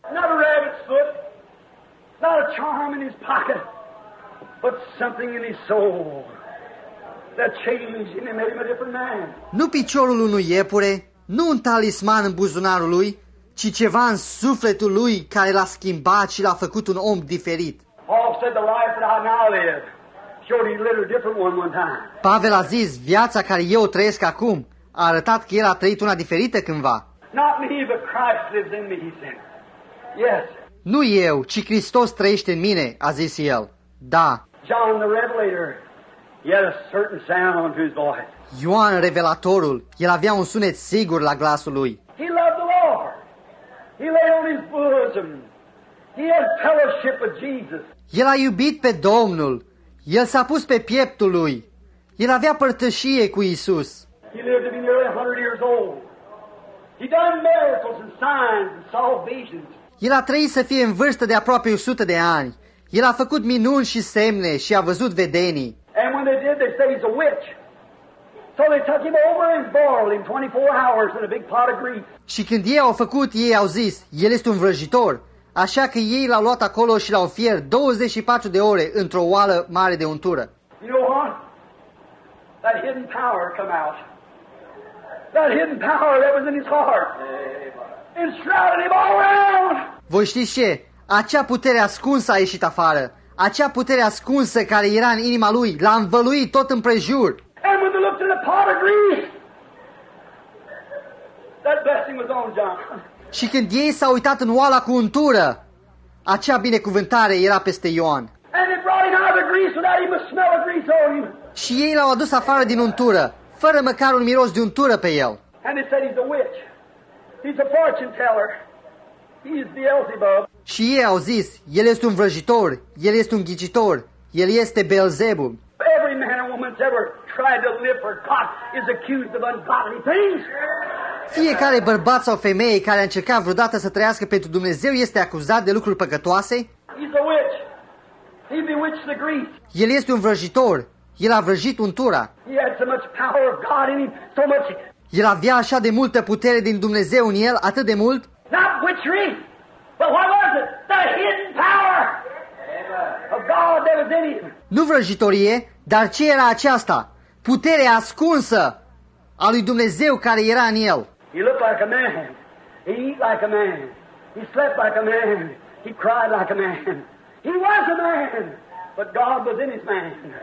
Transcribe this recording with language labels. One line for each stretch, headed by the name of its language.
English: Not a rabbit's foot, not a charm in his pocket, but something in his soul that changed him and made him a different man.
Romanian: Nu piciorul unui iepure, nu un talisman în buzunarul lui, ci ceva în sufletul lui care l-a schimbat și l-a făcut un om diferit.
English: Paul said the life that I now live showed he lived a different one time.
Romanian: Pavel a zis, viața care eu trăiesc acum a arătat că el a trăit una diferită cândva.
English: Not me, but Christ lives in me, he said. Yes.
Romanian: Nu eu, ci Hristos trăiește în mine, a zis el. Da.
English: John the Revelator, he had a certain sound on his voice.
Romanian: Ioan Revelatorul, el avea un sunet sigur la glasul lui.
English: He loved the Lord. He lay on his bosom. He had fellowship with Jesus.
Romanian: El a iubit pe Domnul. El s-a pus pe pieptul lui. El avea părtășie cu Iisus.
English: He lived to be nearly 100 years old. He done miracles and signs and saw visions.
Romanian: El a trăit să fie în vârstă de aproape 100 de ani. El a făcut minuni și semne și a văzut vedenii.
English: And when they did, they say he's a witch. So they took him over and boiled him 24 hours in a big pot of grease.
Romanian: Și când ei au făcut, ei au zis, el este un vrăjitor. Așa că ei l-au luat acolo și l-au fiert 24 de ore într-o oală mare de untură.
English: You know what? That hidden power come out. That hidden power that was in his heart. It shrouded him all around.
Romanian: Voi știți ce? Acea putere ascunsă a ieșit afară. Acea putere ascunsă care era în inima lui l-a învăluit tot împrejur.
English: And when they looked in the pot of grease, that blessing was on John.
Romanian: Și când ei s-au uitat în oala cu untură, acea binecuvântare era peste Ioan.
English: And they brought him out of the grease without even a smell of grease on him.
Romanian: Și ei l-au adus afară din untură, fără măcar un miros de untură pe el.
English: And they said he's a witch. He's a fortune teller. He's Beelzebub.
Romanian: Și ei au zis, el este un vrăjitor, el este un ghicitor, el este Beelzebub.
English: Every man or woman that's ever tried to live for God is accused of ungodly things.
Romanian: Fiecare bărbat sau femeie care a încercat vreodată să trăiască pentru Dumnezeu este acuzat de lucruri păcătoase.
English: He's a witch. He bewitched the grease.
Romanian: El este un vrăjitor. El a vrăjit untura.
English: He had so much power of God in him, so much.
Romanian: El avea așa de multă putere din Dumnezeu în el, atât de mult.
English: Not witchery, but what was it? The hidden power of God that was in him.
Romanian: Nu vrăjitorie, dar ce era aceasta? Putere ascunsă a lui Dumnezeu care era în el.
English: He looked like a man. He eat like a man. He slept like a man. He cried like a man. He was a man. But God was in his man.